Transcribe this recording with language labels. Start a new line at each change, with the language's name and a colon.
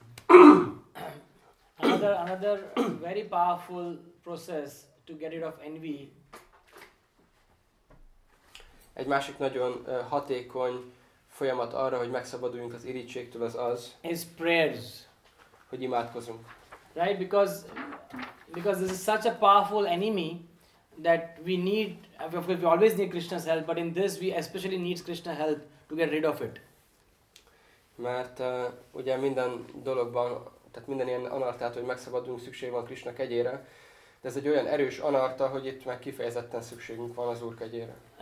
English: Another very powerful process to get rid of envy.
Hungarian: Egy másik nagyon hatékony folyamat arra, hogy megszabaduljunk az irítségtől az,
English: is prayers.
Hungarian: Hogy imádkozunk.
English: Right, because this is such a powerful enemy that we need, of course we always need Krishna's help, but in this we especially need Krishna's help to get rid of it.
Hungarian: Mert ugye minden dologban, tehát minden ilyen anartát, hogy megszabadulunk, szükség van Krishna kegyére, de ez egy olyan erős anarta, hogy itt meg kifejezetten szükségünk van az Úr kegyére.